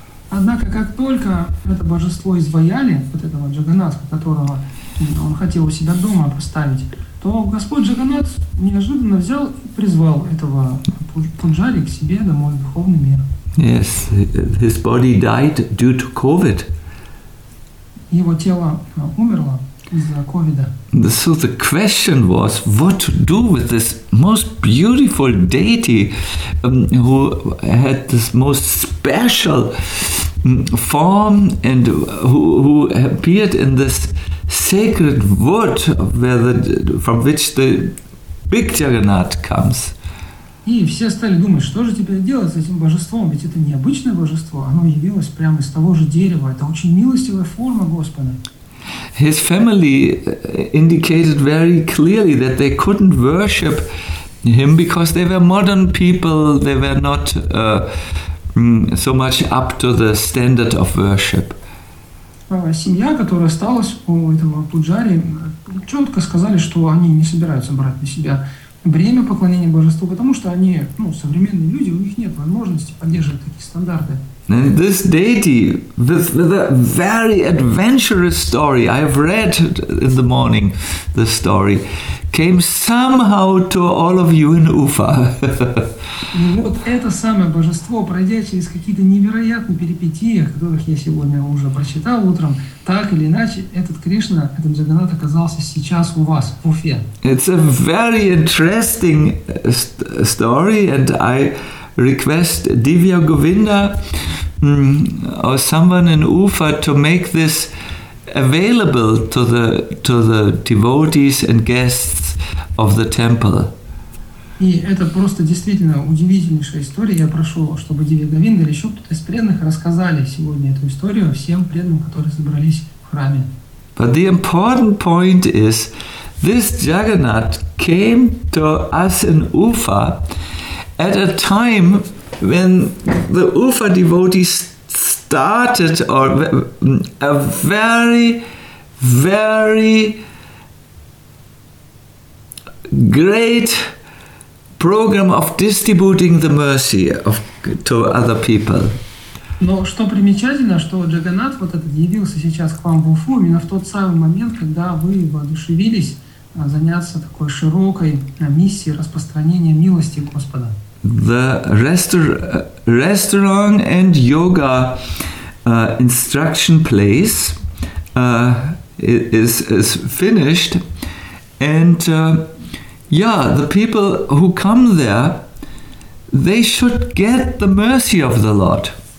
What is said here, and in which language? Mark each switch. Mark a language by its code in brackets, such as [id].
[ru] Однако, как только это божество изваяли, вот этого Джаганнатха, которого он хотел у себя дома поставить, то Господь Джаганнат неожиданно взял и призвал этого Пуджари к себе домой в духовный мир. [en] Yes, his body died due to COVID. [ru] Его тело умерло из-за ковида. [en] So the question was, what to do with this most beautiful deity who had this most special form and who appeared in this sacred wood from which the big Jagannath comes. [ru] И все стали думать, что же теперь делать с этим божеством, ведь это необычное божество, оно явилось прямо из того же дерева, это очень милостивая форма Господа. [en] His family indicated very clearly that they couldn't worship him because they were modern people, they were not so much up to the standard of worship. [ru] Семья, которая осталась у этого Пуджари, четко сказали, что они не собираются брать на себя бремя поклонения божеству, потому что они, ну, современные люди, у них нет возможности поддерживать такие стандарты. [en] And this deity with a very adventurous story, I have read in the morning the story, came somehow to all of you in Ufa. [ru] Вот это самое божество, пройдя через какие-то невероятные перипетии, о которых я сегодня уже прочитал утром, так или иначе, этот Кришна, этот Джаганнат оказался сейчас у вас, в Уфе. [en] It's a very interesting story, and I request Divya Govinda or someone in Ufa to make this available to the devotees and guests of the temple. [ru] И это просто действительно удивительнейшая история. Я прошу, чтобы Дивья Говинда или еще кто-то из преданных рассказали сегодня эту историю всем преданным, которые собрались в храме. [en] But the important point is, this Jagannath came to us in Ufa at a time when the Ufa devotees started a very, very great program of distributing the mercy to other people. [ru] Но что примечательно, что Джаганнат вот этот явился сейчас к вам в Уфу именно в тот самый момент, когда вы воодушевились заняться такой широкой миссией распространения милости Господа. [en] The restaurant and yoga instruction place is finished, and yeah, the people who come there, they should get the mercy of the Lord.